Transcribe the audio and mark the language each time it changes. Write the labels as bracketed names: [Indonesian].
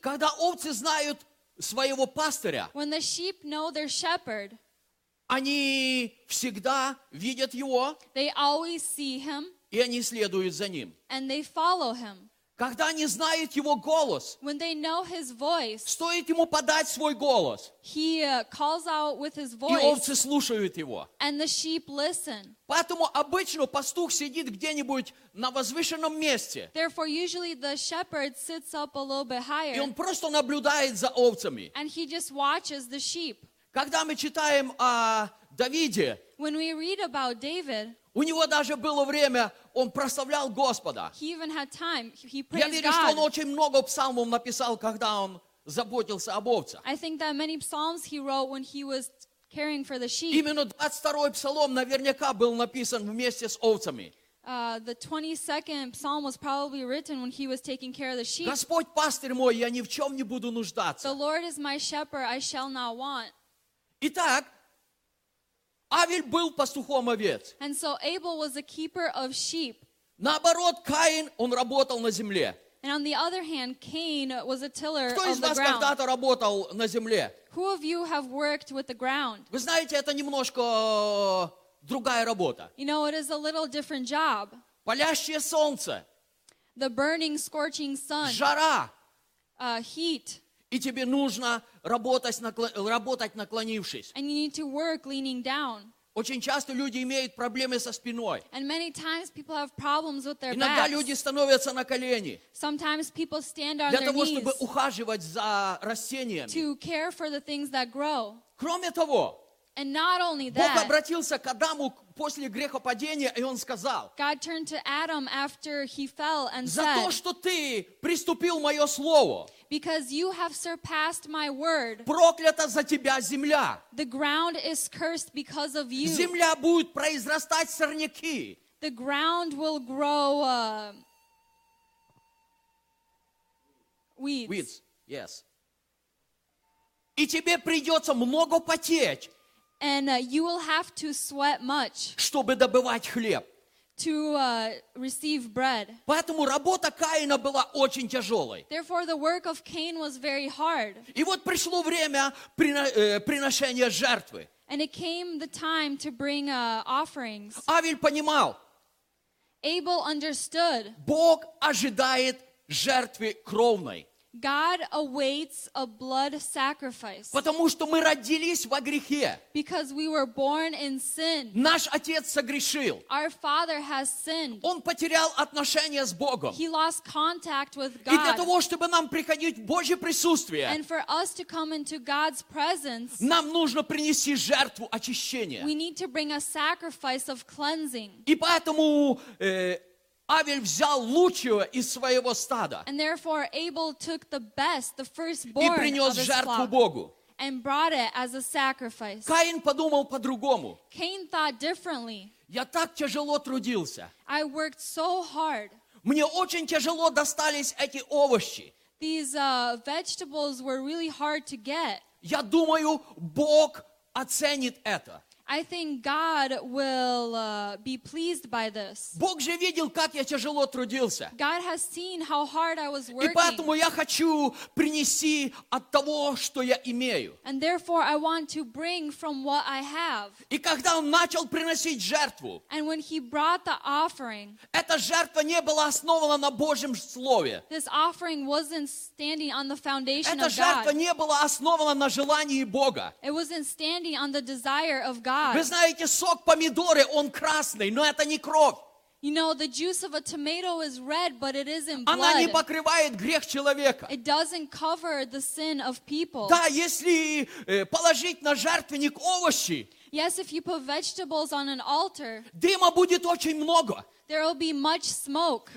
[Russian] Когда овцы знают своего пастыря, [English] when the sheep know their shepherd, [Russian] они всегда видят его, [English] they always see him, [Russian] и они следуют за ним. [English] And they follow him. [Russian] Когда они знают его голос, [English] when they know his voice, [Russian] стоит ему подать свой голос, [English] he calls out with his voice, [Russian] и овцы слушают его. [English] And the sheep listen. [Russian] Поэтому обычно пастух сидит где-нибудь на возвышенном месте. [English] Therefore, usually the shepherd sits up a little bit higher. [Russian] И он просто наблюдает за овцами. [English] And he just watches the sheep. [Russian] Когда мы читаем о Давиде, [English] when we read about David, [Russian] у него даже было время, он прославлял Господа. [English] He even had time. He praised God. [Russian] Я верю, что он очень много псалмов написал, когда он заботился об овцах. [English] I think that many psalms he wrote when he was caring for the sheep. [Russian] Именно 22-й псалом наверняка был написан вместе с овцами. [English] The 22nd psalm was probably written when he was taking care of the sheep. [Russian] Господь пастырь мой, я ни в чем не буду нуждаться. [English] The Lord is my shepherd, I shall not want. [Russian] Итак, Авель был пастухом овец. [English] And so Abel was a keeper of sheep. [Russian] Наоборот, Каин, он работал на земле. [English] And on the other hand, Cain was a tiller of the ground. [Russian] Кто из вас когда-то работал на земле? [English] Who of you have worked with the ground? [Russian] Вы знаете, это немножко другая работа. [English] You know, it is a little different job. [Russian] Палящее солнце. [English] The burning, scorching sun. [Russian] Жара. [English] Heat. [Russian] И тебе нужно работать, наклонившись. [English] And you need to work leaning down. [Russian] Очень часто люди имеют проблемы со спиной. [English] And many times people have problems with their [Russian] Иногда [English] backs. [Russian] Люди становятся на колени. [English] Sometimes people stand on [Russian] Для [English] their [Russian] того, [English] knees [Russian] чтобы ухаживать за растениями. [English] To care for the things that grow. [Russian] Кроме того, [English] And not only that, [Russian] Бог обратился к Адаму после грехопадения, и Он сказал, [English] God turned to Adam after he fell and [Russian] за [English] said, [Russian] то, что ты приступил мое слово, [English] Because you have surpassed my word. [Russian] Проклята за тебя земля. [English] The ground is cursed because of you. [Russian] Земля будет произрастать сорняки. [English] The ground will grow weeds. Weeds, yes. [Russian] И тебе придется много потеть. [English] And you will have to sweat much. [Russian] Чтобы добывать хлеб. [English] To receive bread. [Russian] Поэтому работа Каина была очень тяжелой. [English] Therefore, the work of Cain was very hard. [Russian] И вот пришло время приношения жертвы. [English] And it came the time to bring offerings. [Russian] Авель понимал. [English] Abel understood. [Russian] Бог ожидает жертвы кровной. [English] God awaits a blood sacrifice. [Russian] Потому что мы родились во грехе. [English] Because we were born in sin. [Russian] Наш отец согрешил. [English] Our father has sinned. [Russian] Он потерял отношения с Богом. [English] He lost contact with God. [Russian] И для того, чтобы нам приходить в Божье присутствие, [English] And for us to come into God's presence, [Russian] нам нужно принести жертву очищения. [English] We need to bring a sacrifice of cleansing. [Russian] И поэтому Авель взял лучшего из своего стада [English] and therefore Abel took the best, the firstborn [Russian] и принес [English] of [Russian] жертву [English] flock, [Russian] Богу. [English] And brought it as a sacrifice. [Russian] Каин подумал по-другому. [English] Cain thought differently. [Russian] Я так тяжело трудился. [English] I worked so hard. [Russian] Мне очень тяжело достались эти овощи. [English] These vegetables were really hard to get. [Russian] Я думаю, Бог оценит это. [English] I think God will be pleased by this. [Russian] Бог же видел, как я тяжело трудился. [English] God has seen how hard I was working. [Russian] И поэтому я хочу принести от того, что я имею. [English] And therefore I want to bring from what I have. [Russian] И когда он начал приносить жертву, [English] And when he brought the offering, [Russian] эта жертва не была основана на Божьем слове. [English] This offering wasn't standing on the foundation of God. [Russian] Эта жертва не была основана на желании Бога. [English] It wasn't standing on the desire of God. [Russian] Вы знаете, сок помидоры, он красный, но это не кровь. [English] You know, the juice of a tomato is red, but it isn't blood. [Russian] Она не покрывает грех человека. [English] It doesn't cover the sin of people. [Russian] Да, если положить на жертвенник овощи, [English] Yes, if you put vegetables on an altar, [Russian] дыма будет очень много. [English] There will be much smoke.